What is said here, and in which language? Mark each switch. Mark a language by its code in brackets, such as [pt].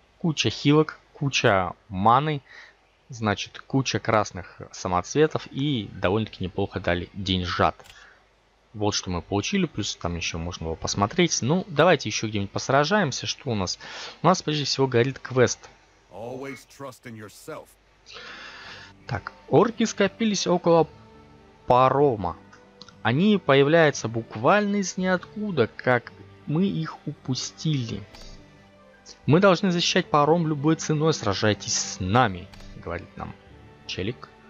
[ru] Куча хилок, куча маны, значит, куча красных самоцветов и довольно-таки неплохо дали деньжат. Вот что мы получили, плюс там еще можно его посмотреть. Ну, давайте еще где-нибудь посражаемся. Что у нас? У нас прежде всего горит квест. [en] Always trust in yourself. [ru] Так, орки скопились около парома. Они появляются буквально из ниоткуда, как мы их упустили. Мы должны защищать паром любой ценой, сражайтесь с нами, говорит нам челик.